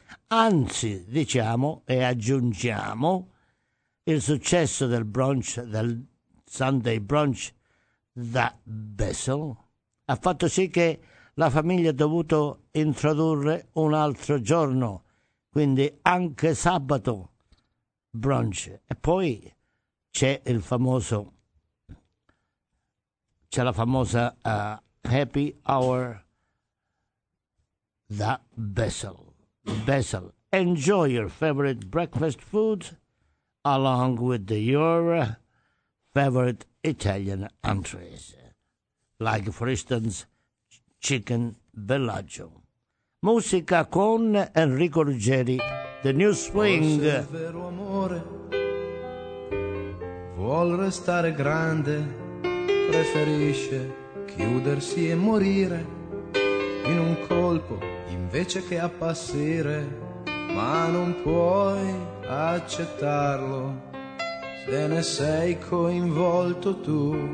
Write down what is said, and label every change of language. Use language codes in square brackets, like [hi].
[it] Anzi, diciamo e aggiungiamo, il successo del brunch, del Sunday brunch da Basil, ha fatto sì che la famiglia ha dovuto introdurre un altro giorno, quindi anche sabato brunch. E poi c'è il famoso, c'è la famosa happy hour da Basil. [en] Basil, enjoy your favorite breakfast food along with your favorite Italian entrees, like for instance chicken Bellagio. [it] Musica con Enrico Ruggeri, The New Swing. Forse il vero amore vuol restare grande, preferisce chiudersi e morire in un colpo invece che appassire, ma non puoi accettarlo se ne sei coinvolto tu.